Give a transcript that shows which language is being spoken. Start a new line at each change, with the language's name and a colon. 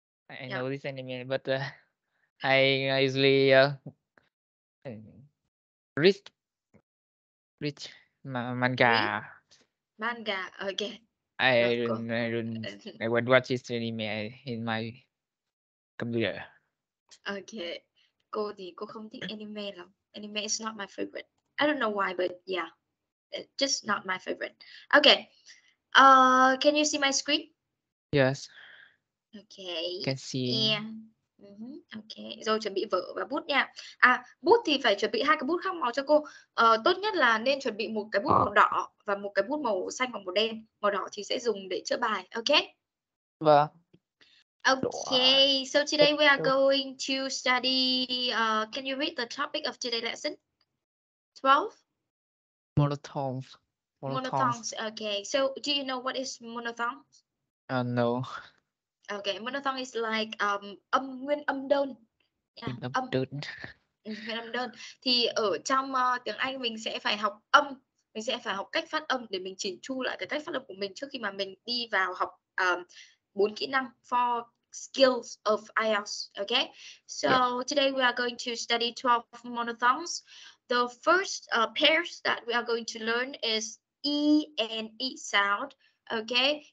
English: I know this anime, but I usually read manga. Manga, okay. I won't watch this anime in my computer.
Vietnamese: Okay, cô thì cô không thích anime lắm.
English: Anime is not my favorite. I don't know why, but yeah, it's just not my favorite. Okay. Can you see my screen? Yes. Okay. Can see. Yeah. Mm-hmm. Okay.
Vietnamese: Rồi chuẩn bị vở và bút nha. À, bút thì phải chuẩn bị hai cái bút khác màu cho cô. Tốt nhất là nên chuẩn bị một cái bút màu đỏ và một cái bút màu xanh hoặc màu đen. Màu đỏ thì sẽ dùng để chữa bài. Okay. Vâng.
English: Okay, so today we are going to study, can you read the topic of today's lesson? 12? Monotones, okay. So, do you know what is monotones? No. Okay, monotone is like
Vietnamese: nguyên âm đơn. Yeah, nguyên âm đơn. Nguyên âm đơn. Thì ở trong tiếng Anh mình sẽ phải học âm, mình sẽ phải học cách phát âm để mình chỉnh chu lại cái cách phát âm của mình trước khi mà mình đi vào học 4 kỹ năng,
English: 4 skills of IELTS,
Vietnamese: okay?
English: So today we are going to study 12 monotones. The first pairs that we are going to learn is E and E sound, okay?